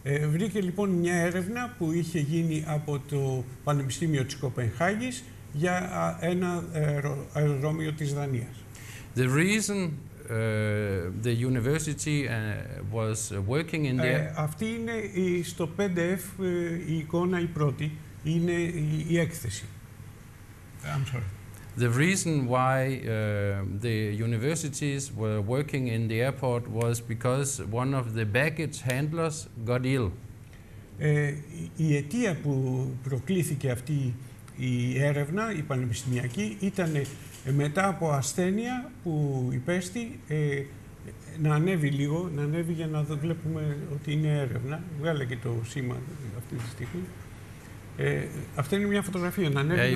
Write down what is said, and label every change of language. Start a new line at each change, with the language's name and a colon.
Greek: Βρήκε λοιπόν μια έρευνα που είχε γίνει από το Πανεπιστήμιο της Κοπενχάγης για ένα αεροδρόμιο της Δανίας.
English: The reason the university was working in there.
Greek: Αυτή είναι στο PDF η εικόνα η πρώτη, είναι η έκθεση.
English: I'm sorry. The reason why the universities were working in the airport was because one of the baggage handlers got ill.
Greek: Η αιτία που προκλήθηκε αυτή η έρευνα, η πανεπιστημιακή, ήταν μετά από ασθένεια που υπέστη να ανέβει λίγο, να ανέβει για να βλέπουμε ότι είναι έρευνα. Βγάλε και το σήμα αυτή τη στιγμή. Αυτή είναι μια φωτογραφία, να ανέβει